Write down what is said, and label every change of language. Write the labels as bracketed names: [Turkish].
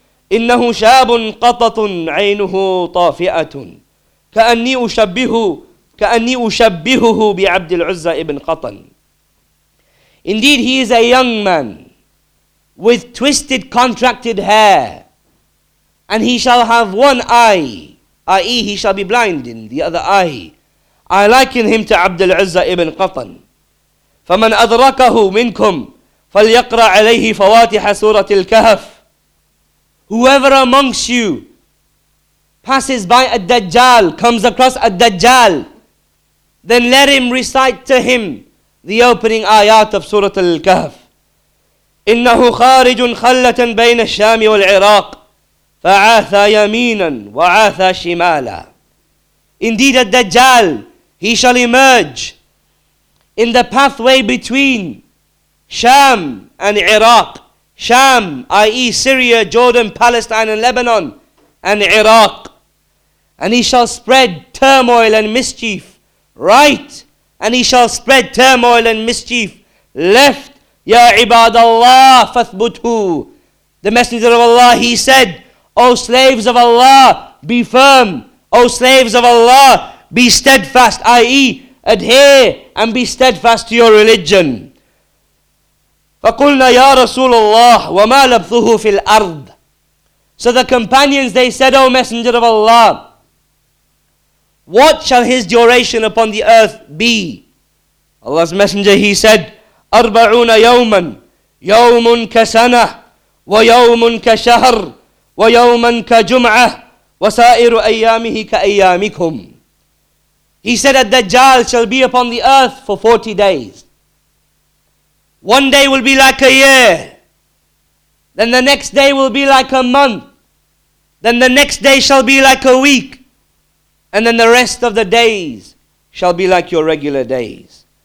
[Arabic] إِنَّهُ شَابٌ قَطَطٌ عَيْنُهُ طَافِئَةٌ كَأَنِّي أُشَبِّهُهُ بِعَبْدِ الْعُزَّى إِبْنِ قَطَنٍ. [English] Indeed, he is a young man with twisted, contracted hair, and he shall have one eye, i.e. he shall be blind in the other eye. I liken him to Abdul Izzah ibn Qatan. [Arabic] فمن أدركه منكم فليقرأ عليه فواتح سورة الكهف. [English] Whoever amongst you passes by a Dajjal, comes across a Dajjal, then let him recite to him the opening ayat of Surah Al-Kahf. [Arabic] إنه خارج خلة بين الشام والعراق فعاث يمينا وعاث شمالا. [English] Indeed, a Dajjal, he shall emerge in the pathway between Sham and Iraq. Sham, i.e. Syria, Jordan, Palestine and Lebanon, and Iraq. And he shall spread turmoil and mischief right, and he shall spread turmoil and mischief left. [Arabic] Ya ibadallah fathbutu. [English] The Messenger of Allah, he said, O slaves of Allah, be firm. O slaves of Allah, be steadfast, i.e. adhere and be steadfast to your religion. [Arabic] فَقُلْنَا يَا رَسُولَ اللَّهِ وَمَا لَبْثُهُ فِي الْأَرْضِ. [English] So the companions, they said, O Messenger of Allah, what shall his duration upon the earth be? Allah's Messenger, he said, [Arabic] أَرْبَعُونَ يَوْمًا يَوْمٌ كَسَنَةٌ وَيَوْمٌ كَشَهْرٌ وَيَوْمًا كَجُمْعَةٌ وَسَائِرُ أَيَّامِهِ كَأَيَّامِكُمْ. [English] He said, الدَّجَّال shall be upon the earth for 40 days. One day will be like a year. Then the next day will be like a month. Then the next day shall be like a week. And then the rest of the days shall be like your regular days.